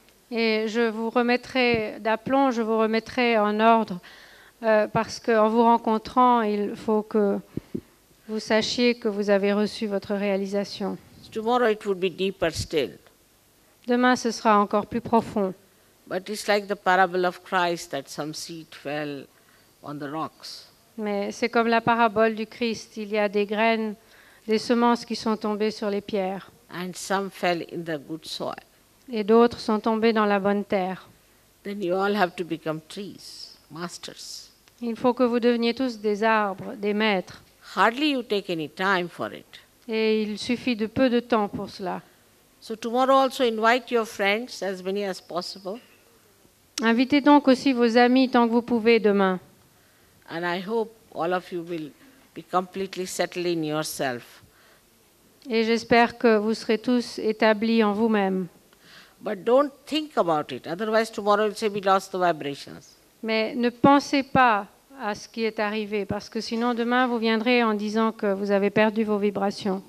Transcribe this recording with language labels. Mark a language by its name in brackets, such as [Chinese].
[French] Et je vous remettrai d'aplomb, je vous remettrai en ordre. Parce qu'en vous rencontrant, il faut que vous sachiez que vous avez reçu votre réalisation. [English] Tomorrow it would be deeper still. [French] Demain, ce sera encore plus profond. [English] But it's like the parable of Christ that some seed fell on the rocks. [French] Mais c'est comme la parabole du Christ. Il y a des graines, des semences qui sont tombées sur les pierres. [English] And some fell in the good soil. [French] Et d'autres sont tombées dans la bonne terre. [English] Then you all have to become trees. Masters. [French] Il faut que vous deveniez tous des arbres, des maîtres. [English] Hardly you take any time for it. [French] Et il suffit de peu de temps pour cela. [English] So tomorrow also invite your friends, as many as possible. [French] Invitez donc aussi vos amis tant que vous pouvez demain. [English] And I hope all of you will be completely settled in yourself. [French] Et j'espère que vous serez tous établis en vous-même. [English] But don't think about it, otherwise tomorrow you'll say we lost the vibrations. [French] Mais ne pensez pas à ce qui est arrivé, parce que sinon demain vous viendrez en disant que vous avez perdu vos vibrations.